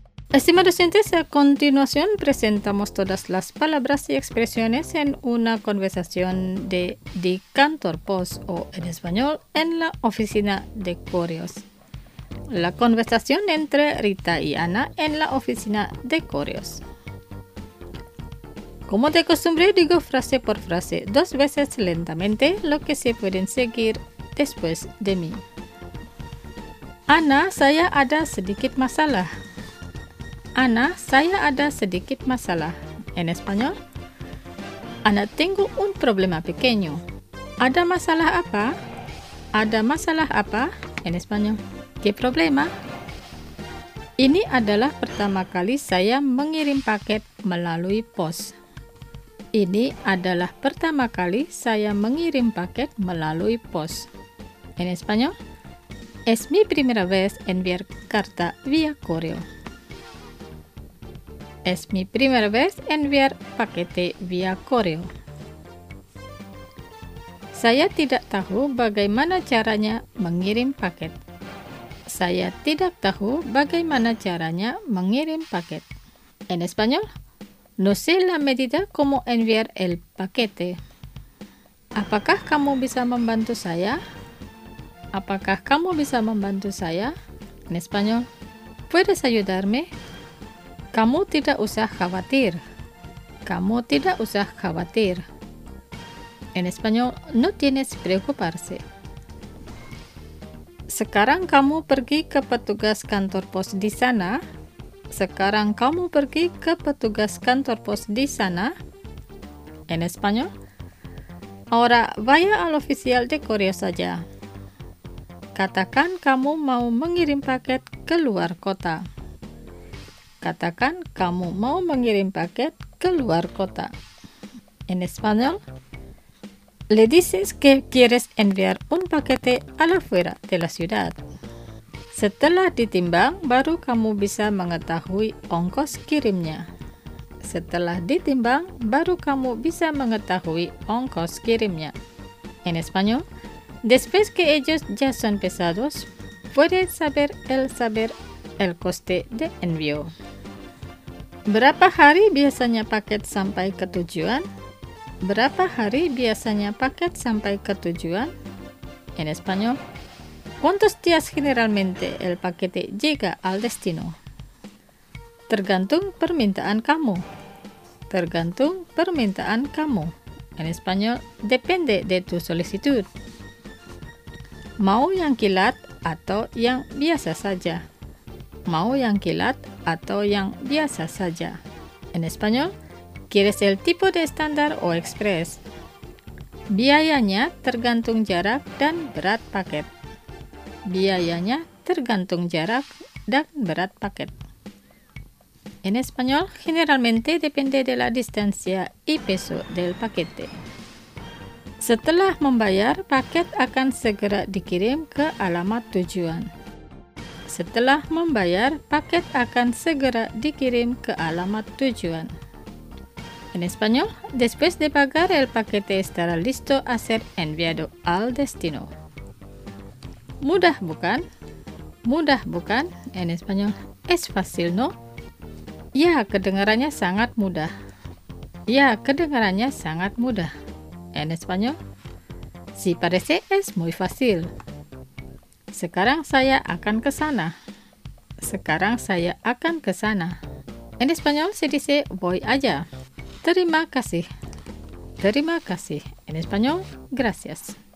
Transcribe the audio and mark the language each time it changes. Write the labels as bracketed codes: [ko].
[es] Estimados oyentes, a continuación presentamos todas las palabras y expresiones en una conversación de Di Cantor Pos o en español en la oficina de correos. La conversación entre Rita y Ana en la oficina de correos. Como de costumbre, digo frase por frase dos veces lentamente lo que se pueden seguir después de mí. [id] Ana, saya ada sedikit masalah. Ana, saya ada sedikit masalah. [es] En español, Ana tengo un problema pequeño. [id] Ada masalah apa? Ada masalah apa? [es] En español, ¿qué problema? [id] Ini adalah pertama kali saya mengirim paket melalui pos. Ini adalah pertama kali saya mengirim paket melalui pos. [es] En español, es mi primera vez enviar carta vía correo. Es mi primera vez enviar paquete vía correo. [id] Saya tidak tahu bagaimana caranya mengirim paket. Saya tidak tahu bagaimana caranya mengirim paket. [es] En español, no sé la medida cómo enviar el paquete. [id] Apakah kamu bisa membantu saya? Apakah kamu bisa membantu saya? [es] En español, ¿puedes ayudarme? [id] Kamu tidak usah khawatir. Kamu tidak usah khawatir. [es] En español, no tienes preocuparse. [id] Sekarang kamu pergi ke petugas kantor pos di sana. Sekarang kamu pergi ke petugas kantor pos di sana. [es] En español, Ahora, vaya al oficial de correo saja. [id] Katakan kamu mau mengirim paket ke luar kota. Katakan kamu mau mengirim paket ke luar kota. [es] En español, le dices que quieres enviar un paquete a la fuera de la ciudad. [id] Setelah ditimbang, baru kamu bisa mengetahui ongkos kirimnya. Setelah ditimbang, baru kamu bisa mengetahui ongkos kirimnya. [es] En español, después que ellos ya son pesados, puedes saber el coste de envío. [id] Berapa hari biasanya paket sampai ke tujuan? Berapa hari biasanya paket sampai ke tujuan? [es] En español, ¿cuántos días generalmente el paquete llega al destino? [id] Tergantung permintaan kamu. Tergantung permintaan kamu. [es] En español, depende de tu solicitud. [id] Mau yang kilat atau yang biasa saja. Mau yang kilat atau yang biasa saja. [es] En español, ¿quieres el tipo de estándar o express? [id] Biayanya tergantung jarak dan berat paket. Biayanya tergantung jarak dan berat paket. [es] En español, generalmente depende de la distancia y peso del paquete. [id] Setelah membayar, paket akan segera dikirim ke alamat tujuan. Setelah membayar, paket akan segera dikirim ke alamat tujuan. [es] En español, después de pagar, el paquete estará listo a ser enviado al destino. [id] Mudah, bukan? Mudah, bukan? [es] En español, es fácil, ¿no? [id] Ya, kedengarannya sangat mudah. Ya, kedengarannya sangat mudah. [es] En español, si parece es muy fácil. [id] Sekarang saya akan ke sana. Sekarang saya akan ke sana. [es] En español, se dice voy allá. [id] Terima kasih. Terima kasih. [es] En español, gracias.